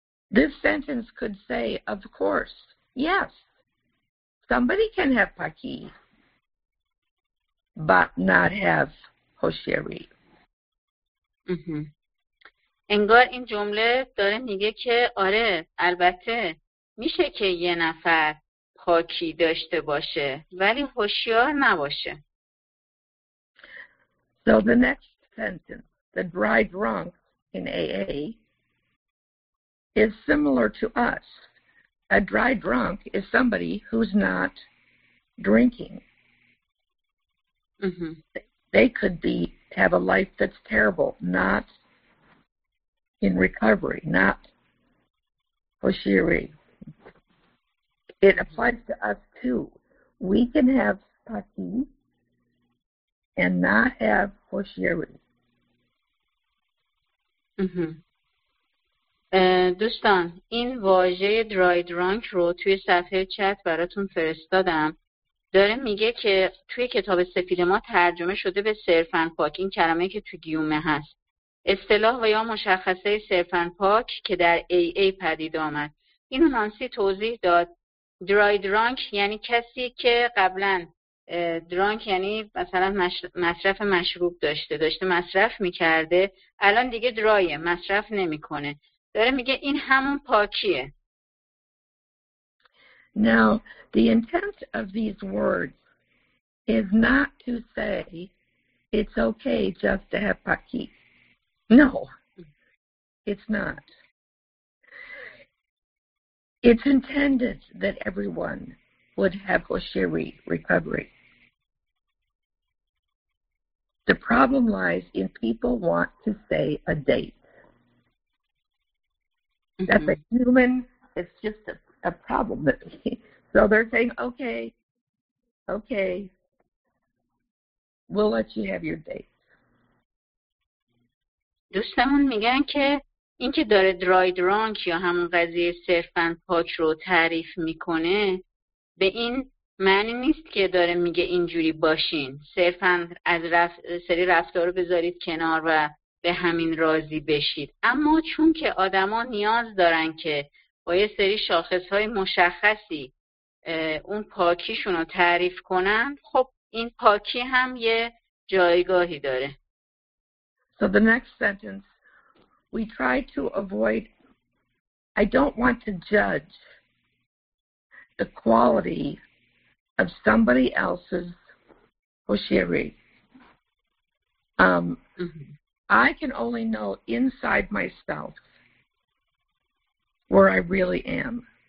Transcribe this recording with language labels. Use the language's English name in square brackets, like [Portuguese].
[English] This sentence could say, of course, yes, somebody can have paki, but not have hoshiri. [Persian] انگار این جمله داره میگه که آره، البته میشه که یه نفر پاکی داشته باشه ولی هوشیار نباشه. [English] So the next sentence, the dry drunk in AA, is similar to us. A dry drunk is somebody who's not drinking. They could be have a life that's terrible, not in recovery, not hoshiri. It applies to us too. We can have paki and not have hoshiri. [Persian] دوستان این واژه درای درانک رو توی صفحه چت براتون فرستادم. داره میگه که توی کتاب سفید ما ترجمه شده به صرفاً پاک، این کلمه که توی گیومه هست، اصطلاح و یا مشخصه صرفاً پاک که در AA پدید آمد. این نانسی توضیح داد درای درانک یعنی کسی که قبلاً درانک یعنی مثلا مصرف مشروب داشته مصرف میکرده، الان دیگه درایه، مصرف نمیکنه. داره میگه این همون پاکیه. [English] Now, the intent of these words is not to say it's okay just to have paki. No, it's not. It's intended that everyone would have hoshiri recovery. The problem lies in people want to say a date. That's a human, it's just a problem. So they're saying, okay, we'll let you have your date. [Persian] دوستمون میگن که این که داره دراید رانک یا همون قضیه صرفاً پاک رو تعریف میکنه به این معنی نیست که داره میگه اینجوری باشین. صرفاً از سری رفتار رو بذارید کنار و به همین راضی بشید. اما چون که آدم ها نیاز دارن که با یه سری شاخصهای مشخصی اون پاکیشون رو تعریف کنن، خب این پاکی هم یه جایگاهی داره. [English] So the next sentence, we try to avoid, I don't want to judge the quality of somebody else's hoshiri. I can only know inside myself where I really am.